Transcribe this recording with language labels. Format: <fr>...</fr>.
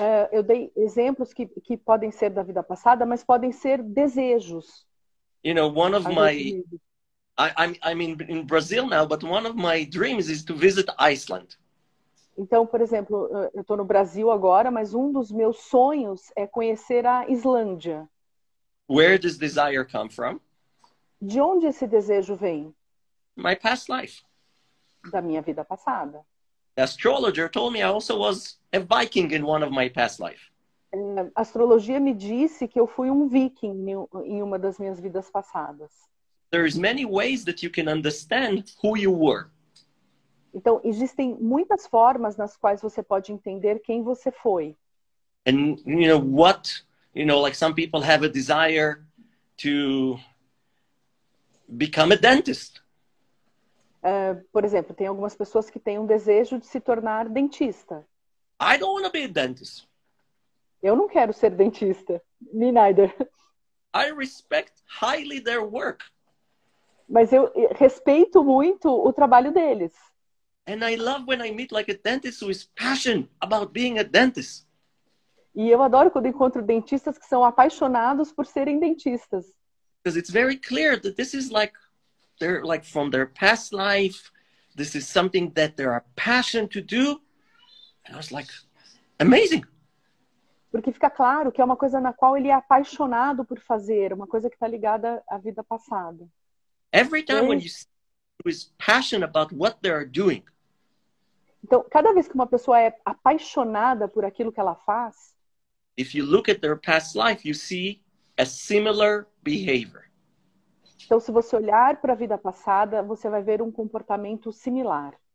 <pt>Eu dei exemplos que podem ser da vida passada, mas podem ser desejos.</pt> <en>You know, one of</en> <pt>Às vezes,</pt> <en>my</en> <pt>medo.</pt> <en>I'm in Brazil now, but one of my dreams is to visit Iceland.</en> <pt>Então, por exemplo, eu estou no Brasil agora, mas um dos meus sonhos é conhecer a Islândia.</pt> <en>Where does desire come from?</en> <pt>De onde esse desejo vem?</pt> <en>My past life.</en> <pt>Da minha vida passada.</pt> <en>The astrologer told me I also was a Viking in one of my past life.</en> <pt>A astrologia me disse que eu fui um viking em uma das minhas vidas passadas.</pt> <en>There is many ways that you can understand who you were.</en> <pt>Então, existem muitas formas nas quais você pode entender quem você foi.</pt> <en>And you know what, you know, like some people have a desire to become a dentist.</en> <pt>Por exemplo, tem algumas pessoas que têm um desejo de se tornar dentista.</pt> <en>I don't want to be a dentist.</en> <pt>Eu não quero ser dentista.</pt> <en>Me neither. I respect highly their work.</en> <pt>Mas eu respeito muito o trabalho deles.</pt> <en>And I love when I meet like a dentist who is passionate about being a dentist.</en> <pt>E eu adoro quando encontro dentistas que são apaixonados por serem dentistas.</pt> <en>Because it's very clear that this is like they're like from their past life, this is something that they are passionate to do. And I was like, amazing.</en> <pt>Porque fica claro que é uma coisa na qual ele é apaixonado por fazer, uma coisa que está ligada à vida passada.</pt> <en>Every time when you see who is passionate about what they are doing.</en> <pt>Então, cada vez que uma pessoa é apaixonada por aquilo que ela faz,</pt> <en>If you look at their past life, you see a similar behavior.</en> <pt>Então, se você olhar para a vida passada, você vai ver um comportamento similar.</pt>